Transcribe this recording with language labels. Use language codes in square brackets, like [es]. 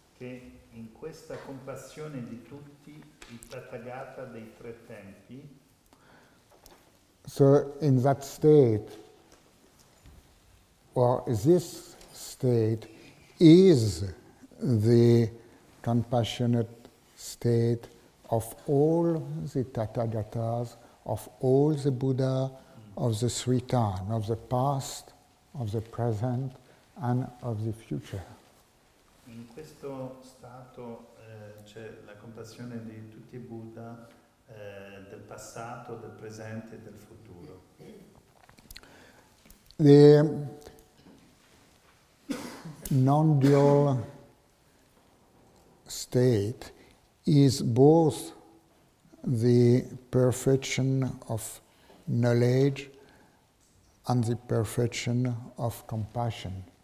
[it] Che in questa compassione di tutti, il Tathagata dei tre tempi. [en] So in that state, or this state is the compassionate state of all the Tathagatas, of all the Buddha, of the three time, of the past, of the present, and of the future. [it] In questo stato c'è la compassione di tutti i Buddha, del passato, del presente e del futuro. [en] The non-dual state is both the perfection of knowledge and the perfection of compassion.